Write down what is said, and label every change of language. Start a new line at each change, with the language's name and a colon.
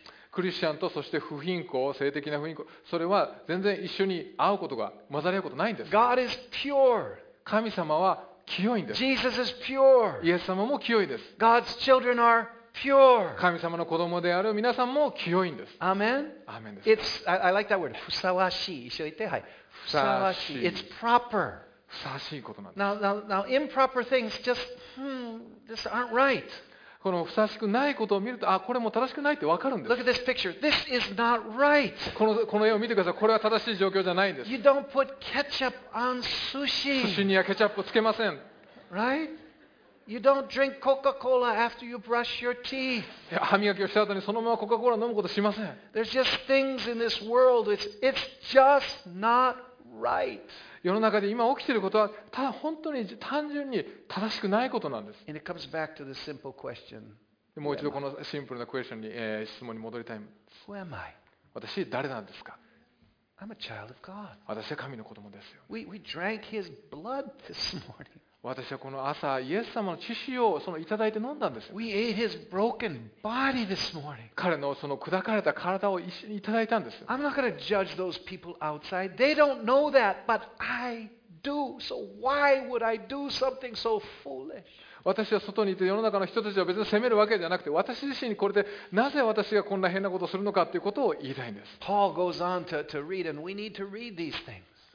Japanese: クリスチャンとそして不貧困、性的な不貧困、それは全然一緒に会うことが混ざり合うことないんです。
English: God is pure.
Japanese: 神様は清いんです。
English: Jesus is pure.
Japanese: イエス様も清いです。
English: God's children are pure.
Japanese: 神様の子供である皆さんも清いんです。
English: Amen.
Japanese: Amen です。
English: It's I like that word.
Japanese: ふさわしい。一緒に言ってはい。ふさわしい。
English: It's proper.
Japanese: ふさわしいことなんです。
English: Now improper things just just aren't right.
Japanese: このふさしくないことを見ると、あ、これも正しくないってわかるんです。
English: Look at this picture. This is not right.
Japanese: この絵を見てください。これは正しい状況じゃないんです。
English: You don't put ketchup on sushi.
Japanese: 寿司にはケチャップをつけません。
English: Right? You don't drink Coca-Cola after you brush your teeth.
Japanese: 歯磨きをした後にそのままコカコーラ飲むことしません。
English: There's just things in this world. It's just not right.
Japanese: 世の中で今起きていることはただ本当に単純に正しくないことなんです。
English: And it comes back to the simple question.
Japanese: もう一度このシンプルなクエスチョンに、質問に戻りたい。
English: Who am I?
Japanese: 私誰なんですか
English: ？I'm a child of God.
Japanese: 私は神の子供ですよ。
English: We drank His blood this morning.
Japanese: 私はこの朝イエス様の血潮をそのいただいて飲んだんです。
English: We ate His broken body this morning.
Japanese: 彼のその砕かれた体を一緒にいただいたんです。
English: I'm not going to judge those people outside. They don't know that, but I do. So why would I do something so foolish?
Japanese: 私は外にいて世の中の人たちを別に責めるわけじゃなくて私自身にこれでなぜ私がこんな変なことをするのかということを言いたいんです。
English: Paul goes on to read and we need to read these things.